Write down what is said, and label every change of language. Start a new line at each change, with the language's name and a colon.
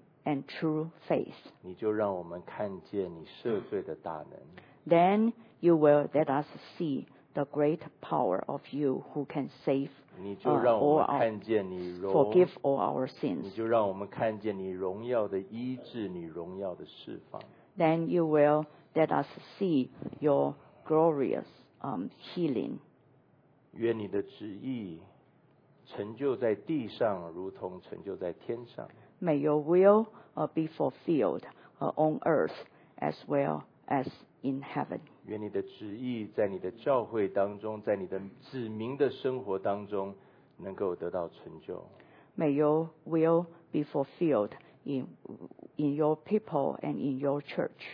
English: and true faith.
Chinese: 你就让我们看见你赦罪的大能。
English: Then you will let us see the great power of you who can save forgive all our sins.
Chinese: 你就让我们看见你荣耀的医治，你荣耀的释放。
English: Then you will let us see your glorious healing.
Chinese: 愿你的旨意成就在地上，如同成就在天上。
English: May your will be fulfilled on earth as well as in heaven.
Chinese: 愿你的旨意在你的教会当中，在你的子民的生活当中能够得到成就。
English: May your will be fulfilled in your people and in your church.